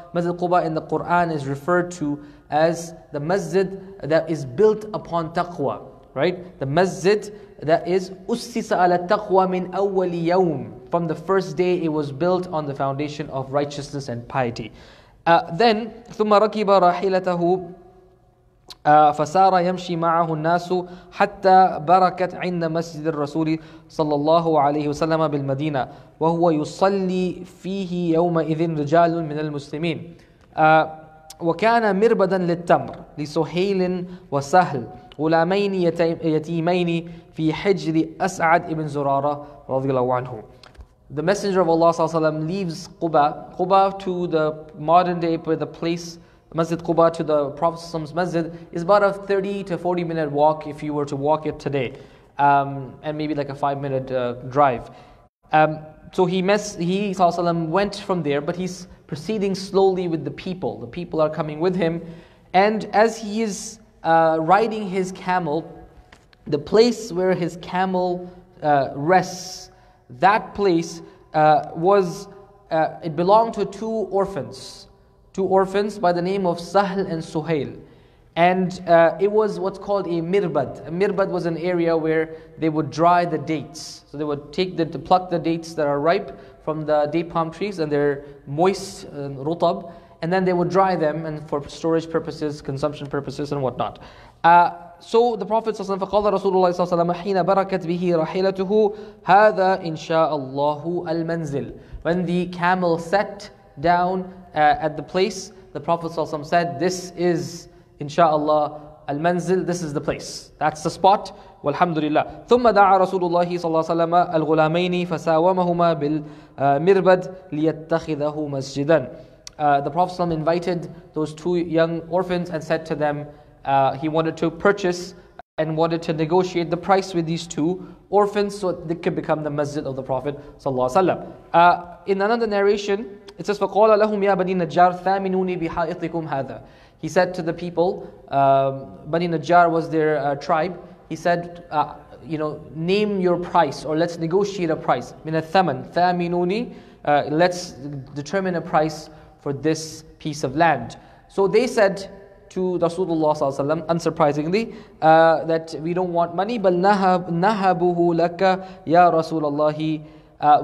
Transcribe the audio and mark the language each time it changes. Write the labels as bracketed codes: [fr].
[en] Masjid Quba in the Quran is referred to as the Masjid that is built upon taqwa, right? The Masjid that is [ar] ussisa ala taqwa min awwali yawm, [en] from the first day it was built on the foundation of righteousness and piety. Then [ar] ثم ركب راحلته فسار يمشي معه الناس حتى بركت عند مسجد الرسول صلى الله عليه وسلم بالمدينة وهو يصلي فيه يومئذ رجال من المسلمين وكان مربدا للتمر لسهيل وسهل غلامين يتيمين في حجر أسعد بن زرارة رضي الله عنه. [en] The Messenger of Allah [ar] صلى الله عليه وسلم [en] leaves Quba to the modern day, with the place Masjid Quba to the Prophet's Masjid is about a 30 to 40 minute walk if you were to walk it today, and maybe like a 5 minute drive. So he sallallahu alaihi wasallam went from there, but he's proceeding slowly with the people. The people are coming with him, and as he is riding his camel, the place where his camel rests, that place it belonged to two orphans. Two orphans by the name of Sahl and Suhail. And it was what's called a mirbad. A mirbad was an area where they would dry the dates. So they would take to pluck the dates that are ripe from the date palm trees, and they're moist, rutab, and then they would dry them and for storage purposes, consumption purposes and whatnot. So the Prophet ﷺ, [ar] فَقَالَ رَسُولُ اللَّهِ صَلَّى اللَّهُ حِينَ بَرَكَتْ بِهِ رَحِيلَتُهُ هَذَا إِنْ شَاءَ اللَّهُ الْمَنْزِلُ. [en] When the camel sat down at the place, the Prophet ﷺ said, this is, insha'Allah, al-manzil, this is the place. That's the spot, walhamdulillah. [ar] ثُمَّ دَعَ رَسُولُ اللَّهِ صَلَّى اللَّهُ عَلَيْهِ وَسَلَّمَ الْغُلَامَيْنِ فَسَاوَمَهُمَا بِالْمِرْبَدْ لِيَتَّخِذَهُ مَسْجِدًا. [en] The Prophet ﷺ invited those two young orphans and said to them, he wanted to purchase and wanted to negotiate the price with these two orphans so they could become the masjid of the Prophet ﷺ. In another narration, it says, [ar] فَقَالَ لَهُمْ يَا بَنِي نَجَّارْ ثَامِنُونِي بِحَائِطِكُمْ هَذَا. [en] He said to the people, Bani Najjar was their tribe. He said, name your price, or let's negotiate a price. [ar] مِنَ الثَّمَنْ ثَامِنُونِي. [en] Let's determine a price for this piece of land. So they said to Rasulullah ﷺ, unsurprisingly, that we don't want money, [ar] بَلْ نَهَبُهُ لَكَ يَا رَسُولَ اللَّهِ.